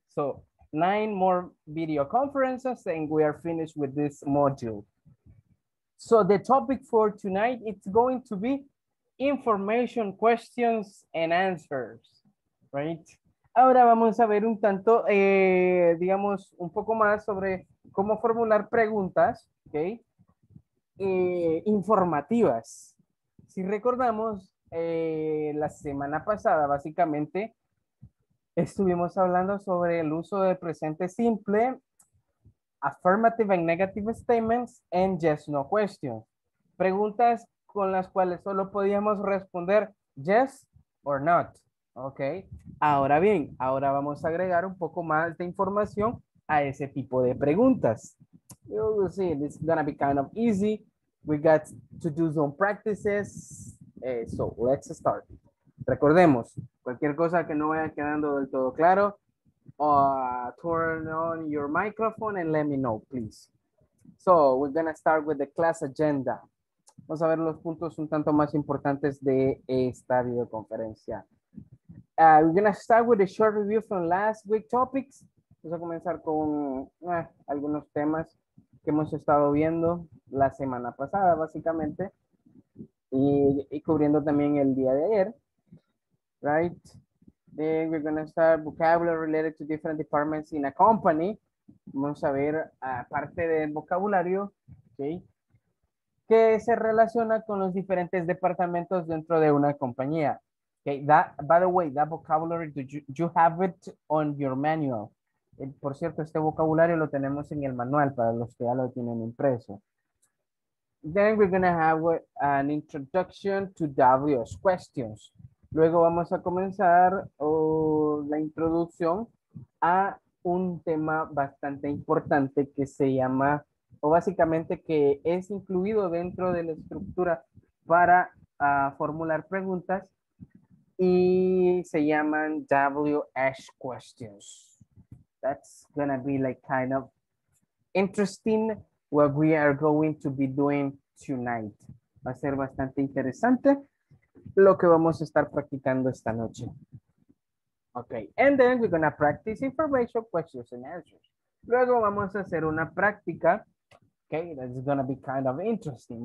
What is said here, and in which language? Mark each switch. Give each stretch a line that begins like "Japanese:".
English: So, 9 more video conferences and we are finished with this module. So, the topic for tonight, it's going to be information questions and answers, right?
Spanish: Ahora vamos a ver un tanto, digamos, un poco más sobre cómo formular preguntas, ¿ok? Informativas. Si recordamos, la semana pasada, básicamente, estuvimos hablando sobre el uso del presente simple,
English: affirmative and negative statements, and yes, no questions.
Spanish: Preguntas con las cuales solo podíamos responder
English: yes or not.
Spanish: Ok, ahora bien, ahora vamos a agregar un poco más de información a ese tipo de preguntas.
English: You will see, it's gonna be kind of easy. We got to do some practices. So, let's start.
Spanish: Recordemos, cualquier cosa que no vaya quedando del todo claro,
English: turn on your microphone and let me know, please. So, we're gonna start with the class agenda.
Spanish: Vamos a ver los puntos un tanto más importantes de esta videoconferencia.
English: We're going to start with a short review from last week's topics.
Spanish: Vamos a comenzar con algunos temas que hemos estado viendo la semana pasada, básicamente, y cubriendo también el día de ayer, right?
English: Then we're going to start vocabulary related to different departments in a company.
Spanish: Vamos a ver parte del vocabulario, okay, que se relaciona con los diferentes departamentos dentro de una compañía.
English: Okay, that, by the way, that vocabulary, do you have it on your manual?
Spanish: Por cierto, este vocabulario lo tenemos en el manual para los que ya lo tienen impreso.
English: Then we're going to have an introduction to W's questions.
Spanish: Luego vamos a comenzar la introducción a un tema bastante importante que se llama, o básicamente que es incluido dentro de la estructura para formular preguntas, y se llaman WH questions.
English: That's going to be like kind of interesting what we are going to be doing tonight.
Spanish: Va a ser bastante interesante lo que vamos a estar practicando esta noche.
English: Okay, and then we're going to practice information questions and answers.
Spanish: Luego vamos a hacer una práctica. Okay,
English: that's going to be kind of interesting.